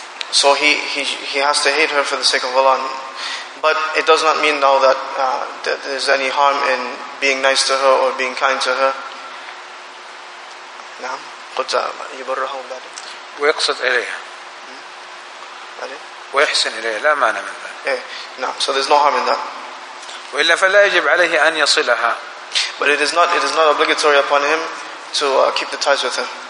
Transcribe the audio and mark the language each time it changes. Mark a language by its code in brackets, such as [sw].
[en] So he has to hate her for the sake of Allah. But it does not mean now that there's any harm in being nice to her or being kind to her. [ar] نعم. قلت يبرهم بعد. ويقصد إليها. ويحسن إليها. لا مانع من ذلك. نعم. [en] So there's no harm in that. [ar] وإلا فلا يجب عليه أن يصلها. [en] But it is not obligatory upon him to keep the ties with her.